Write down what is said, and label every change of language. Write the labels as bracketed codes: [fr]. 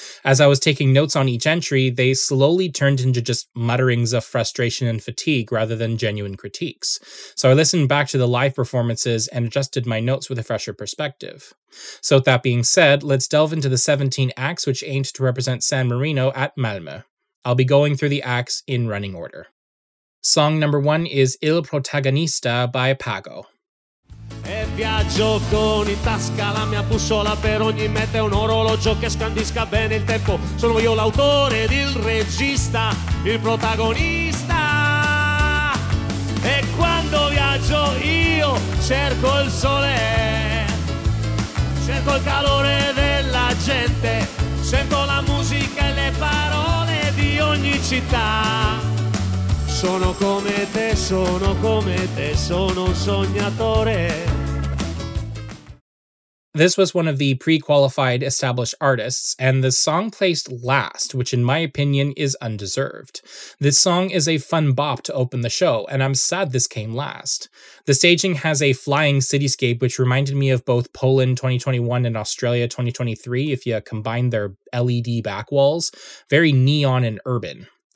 [en] As I was taking notes on each entry, they slowly turned into just mutterings of frustration and fatigue rather than genuine critiques. So I listened back to the live performances and adjusted my notes with a fresher perspective. So with that being said, let's delve into the 17 acts which aimed to represent San Marino at Malmö. I'll be going through the acts in running order. Song number 1 is Il Protagonista by Pago. [it] E viaggio con in tasca la mia bussola per ogni meta un orologio che scandisca bene il tempo. Sono io l'autore ed il regista, il protagonista. E quando viaggio io cerco il sole, cerco il calore della gente, sento la musica e le parole. Ogni città sono come te, sono come te, sono un sognatore. [en] This was one of the pre-qualified established artists, and the song placed last, which in my opinion is undeserved. This song is a fun bop to open the show, and I'm sad this came last. The staging has a flying cityscape which reminded me of both Poland 2021 and Australia 2023 if you combine their LED back walls, very neon and urban.